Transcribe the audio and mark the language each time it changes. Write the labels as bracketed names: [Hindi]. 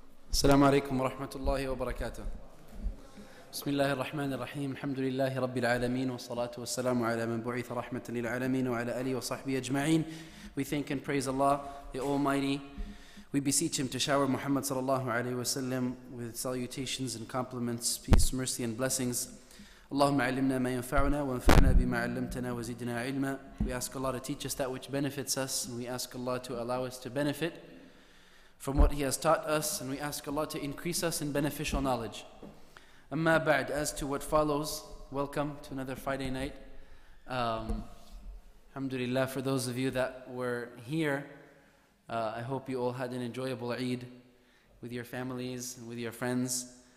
[Arabic] السلام عليكم ورحمة الله وبركاته بسم الله الرحمن الرحيم الحمد لله رب العالمين والصلاة والسلام على من بعث رحمة للعالمين وعلى آله وصحبه أجمعين. [English] We thank and praise Allah, the Almighty. We beseech Him to shower Muhammad sallallahu alaihi wasallam with salutations and compliments, peace, mercy, and blessings. [Arabic] Allahumma علمنا ما ينفعنا وانفعنا بما علمتنا وزدنا علما. [English] We ask Allah to teach us that which benefits us, and we ask Allah to allow us to benefit from what He has taught us, and we ask Allah to increase us in beneficial knowledge. Amma ba'd, as to what follows, welcome to another Friday night. Alhamdulillah, for those of you that were here, I hope you all had an enjoyable Eid with your families and with your friends.